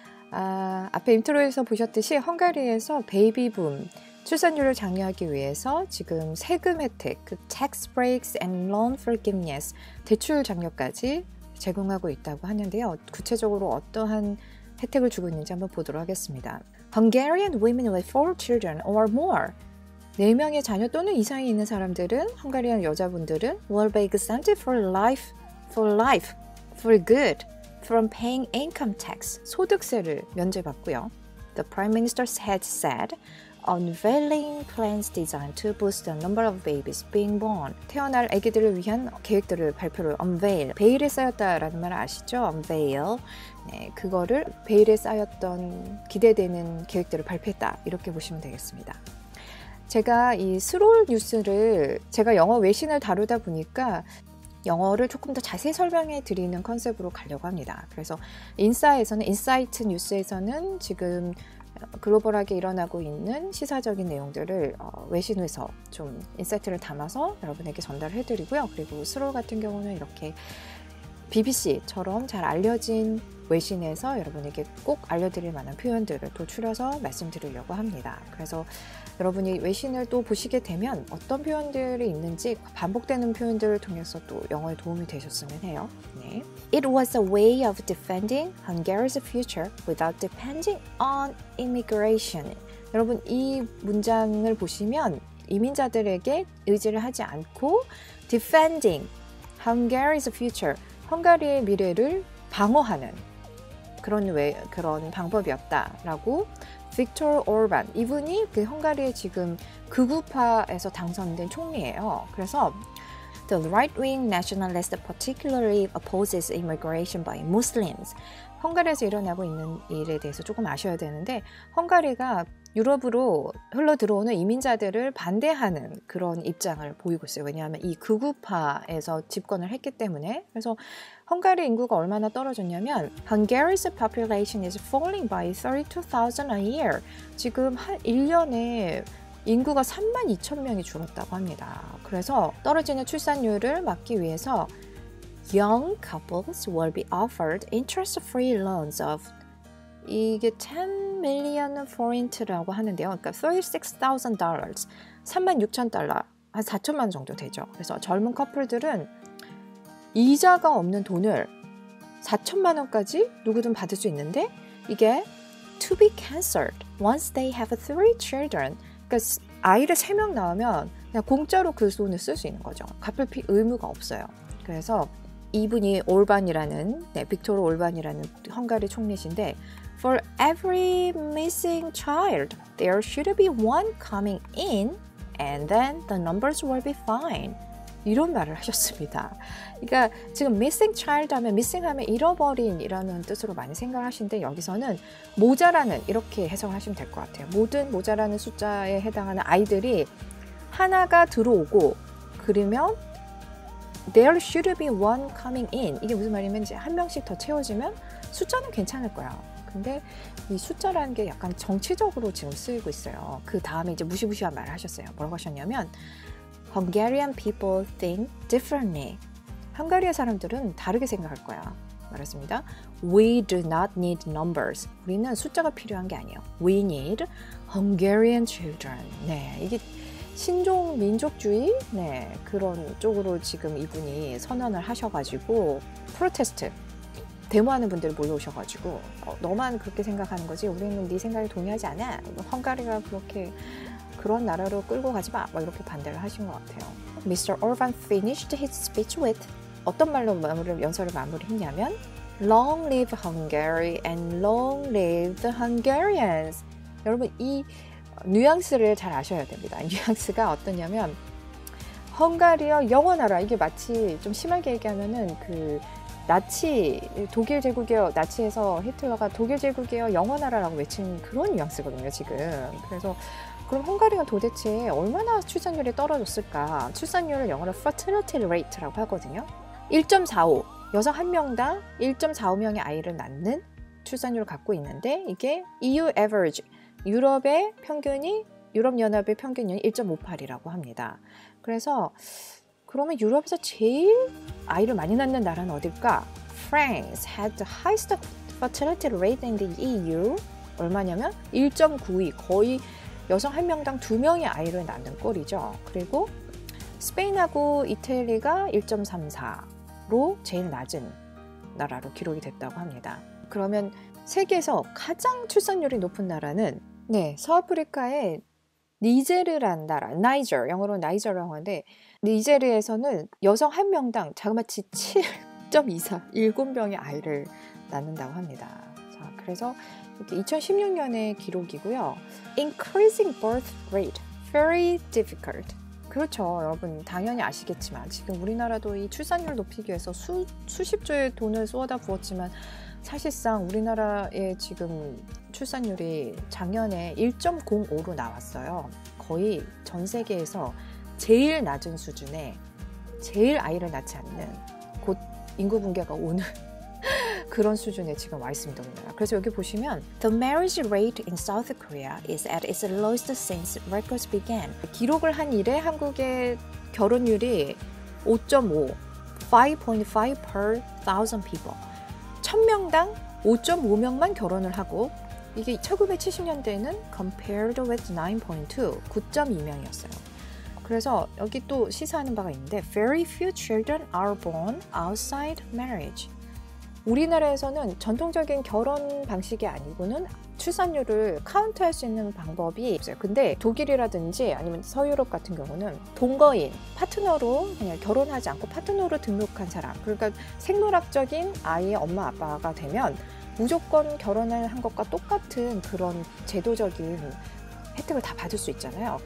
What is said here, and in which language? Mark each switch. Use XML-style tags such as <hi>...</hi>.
<ko>앞에 인트로에서 보셨듯이 헝가리에서 베이비붐 출산율을 장려하기 위해서 지금 세금 혜택, 그</ko> <en>tax breaks and loan forgiveness,</en> <ko>대출 장려까지 제공하고 있다고 하는데요. 구체적으로 어떠한 혜택을 주고 있는지 한번 보도록 하겠습니다.</ko> <en>Hungarian women with four children or more.</en> <ko>4명의 자녀 또는 이상이 있는 사람들은, 헝가리안 여자분들은</ko> <en>will be exempted for life, for good, from paying income tax,</en> <ko>소득세를 면제받고요.</ko> <en>The Prime Minister had said, unveiling plans designed to boost the number of babies being born.</en> <ko>태어날 아기들을 위한 계획들을 발표를, unveil, 베일에 쌓였다라는 말 아시죠? unveil, 네, 그거를 베일에 쌓였던 기대되는 계획들을 발표했다, 이렇게 보시면 되겠습니다. 제가 이 스롤 뉴스를, 제가 영어 외신을 다루다 보니까 영어를 조금 더 자세히 설명해 드리는 컨셉으로 가려고 합니다. 그래서 인사이트 뉴스에서는 지금 글로벌하게 일어나고 있는 시사적인 내용들을 외신에서 좀 인사이트를 담아서 여러분에게 전달을 해드리고요. 그리고 스롤 같은 경우는 이렇게 BBC처럼 잘 알려진 외신에서 여러분에게 꼭 알려드릴 만한 표현들을 도출해서 말씀드리려고 합니다. 그래서 여러분이 외신을 또 보시게 되면 어떤 표현들이 있는지 반복되는 표현들을 통해서 또 영어에 도움이 되셨으면 해요. 네.</ko> <en>It was a way of defending Hungary's future without depending on immigration.</en> <ko>여러분, 이 문장을 보시면 이민자들에게 의지를 하지 않고</ko> <en>defending Hungary's future,</en> <ko>헝가리의 미래를 방어하는 그런 방법이었다라고 빅토르 오르반, 이분이 그 헝가리의 지금 극우파에서 당선된 총리예요.</ko> <en>그래서 The right-wing nationalist particularly opposes immigration by Muslims.</en> <ko>헝가리에서 일어나고 있는 일에 대해서 조금 아셔야 되는데, 헝가리가 유럽으로 흘러들어오는 이민자들을 반대하는 그런 입장을 보이고 있어요. 왜냐하면 이 극우파에서 집권을 했기 때문에. 그래서 헝가리 인구가 얼마나 떨어졌냐면</ko> <en>Hungary's population is falling by 32,000 a year.</en> <ko>지금 한 1년에 인구가 3만 2천 명이 줄었다고 합니다. 그래서 떨어지는 출산율을 막기 위해서</ko> <en>young couples will be offered interest-free loans of</en> <ko>이게 10 million forint라고 하는데요. 그러니까 $36,000, 36,000달러, 한 4천만 정도 되죠. 그래서 젊은 커플들은 이자가 없는 돈을 4천만 원까지 누구든 받을 수 있는데, 이게</ko> <en>to be cancelled once they have three children.</en> <ko>그러니까 아이를 3명 낳으면 그냥 공짜로 그 돈을 쓸 수 있는 거죠. 갚을 의무가 없어요. 그래서 이분이 올반이라는, 네, 빅토르 올반이라는 헝가리 총리신데,</ko> <en>For every missing child, there should be one coming in, and then the numbers will be fine.</en> <ko>이런 말을 하셨습니다. 그러니까 지금 missing child 하면, missing 하면 잃어버린이라는 뜻으로 많이 생각하시는데, 여기서는 모자라는, 이렇게 해석하시면 될 것 같아요. 모든 모자라는 숫자에 해당하는 아이들이 하나가 들어오고, 그러면</ko> <en>there should be one coming in.</en> <ko>이게 무슨 말이냐면, 한 명씩 더 채워지면 숫자는 괜찮을 거야. 근데 이 숫자라는 게 약간 정치적으로 지금 쓰이고 있어요. 그 다음에 이제 무시무시한 말을 하셨어요. 뭐라고 하셨냐면</ko> <en>Hungarian people think differently.</en> <ko>헝가리의 사람들은 다르게 생각할 거야. 말했습니다.</ko> <en>We do not need numbers.</en> <ko>우리는 숫자가 필요한 게 아니에요.</ko> <en>We need Hungarian children.</en> <ko>네, 이게 신종 민족주의, 네, 그런 쪽으로 지금 이분이 선언을 하셔가지고 프로테스트, 데모하는 분들이 몰려오셔가지고 너만 그렇게 생각하는 거지, 우리는 네 생각에 동의하지 않아, 헝가리가 그렇게 그런 나라로 끌고 가지 마, 막 이렇게 반대를 하신 것 같아요.</ko> <en>Mr. Orban finished his speech with</en> <ko>어떤 말로 연설을 마무리했냐면</ko> <en>Long live Hungary and long live the Hungarians.</en> <ko>여러분, 이 뉘앙스를 잘 아셔야 됩니다. 뉘앙스가 어떠냐면 헝가리어 영어 나라 이게 마치 좀 심하게 얘기하면은 그 나치 독일 제국이요 나치에서 히틀러가 독일 제국이요 영어 나라라고 외친 그런 뉘앙스거든요 지금. 그래서 그럼 헝가리가 도대체 얼마나 출산율이 떨어졌을까? 출산율을 영어로 fertility rate라고 하거든요. 1.45 여성 한 명당 1.45명의 아이를 낳는 출산율을 갖고 있는데 이게 EU average 유럽의 평균이 유럽연합의 평균이 1.58이라고 합니다. 그래서 그러면 유럽에서 제일 아이를 많이 낳는 나라는 어딜까?</ko> <en>France had the highest fertility rate in the EU.</en> <ko>얼마냐면 1.92 거의 여성 한 명당 두 명의 아이를 낳는 꼴이죠. 그리고 스페인하고 이탈리아가 1.34로 제일 낮은 나라로 기록이 됐다고 합니다. 그러면 세계에서 가장 출산율이 높은 나라는 네, 서아프리카의 니제르라는 나라, 나이저, 영어로 나이저라고 하는데 니제르에서는 여성 한 명당 자그마치 7.24, 7명의 아이를 낳는다고 합니다. 자, 그래서 이게 2016년의 기록이고요.</ko> <en>Increasing birth rate, very difficult.</en> <ko>그렇죠, 여러분 당연히 아시겠지만 지금 우리나라도 이 출산율 높이기 위해서 수십조의 돈을 쏟아 부었지만 사실상 우리나라의 지금 출산율이 작년에 1.05로 나왔어요. 거의 전 세계에서 제일 낮은 수준에 제일 아이를 낳지 않는 곧 인구 붕괴가 오는 그런 수준에 지금 와 있습니다. 우리나라. 그래서 여기 보시면</ko> <en>The marriage rate in South Korea is at its lowest since records began.</en> <ko>기록을 한 이래 한국의 결혼율이 5.5, 5.5</ko> <en>per 1,000 people.</en> <ko>1,000명당 5.5명만 결혼을 하고 이게 1970년대에는</ko> <en>compared with</en> <ko>9.2, 9.2명이었어요. 그래서 여기 또 시사하는 바가 있는데</ko> <en>very few children are born outside marriage.</en> <ko>우리나라에서는 전통적인 결혼 방식이 아니고는 출산율을 카운트할 수 있는 방법이 없어요. 근데 독일이라든지 아니면 서유럽 같은 경우는 동거인, 파트너로 그냥 결혼하지 않고 파트너로 등록한 사람 그러니까 생물학적인 아이의 엄마 아빠가 되면 무조건 결혼을 한 것과 똑같은 그런 제도적인 혜택을 다 받을 수 있잖아요.</ko>